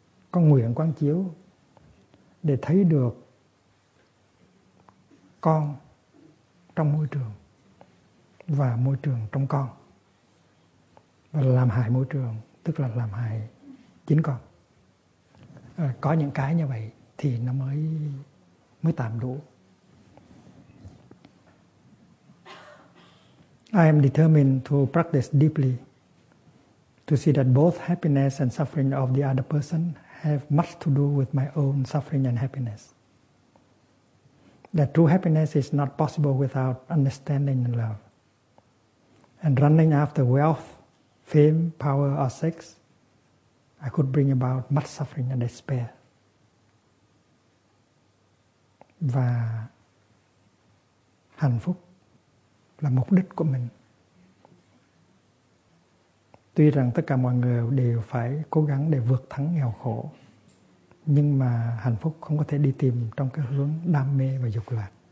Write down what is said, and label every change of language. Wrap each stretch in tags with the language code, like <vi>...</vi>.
<vi>Con nguyện quán chiếu để thấy được con trong môi trường và môi trường trong con. Và làm hại môi trường, tức là làm hại chính con. Có những cái như vậy thì nó mới tạm đủ.</vi> <en>I am determined to practice deeply to see that both happiness and suffering of the other person have much to do with my own suffering and happiness. That true happiness is not possible without understanding and love. And running after wealth, fame, power, or sex, I could bring about much suffering and despair.</en> <vi>Và hạnh phúc là mục đích của mình. Tuy rằng tất cả mọi người đều phải cố gắng để vượt thắng nghèo khổ, nhưng mà hạnh phúc không có thể đi tìm trong cái hướng đam mê và dục lạc.</vi>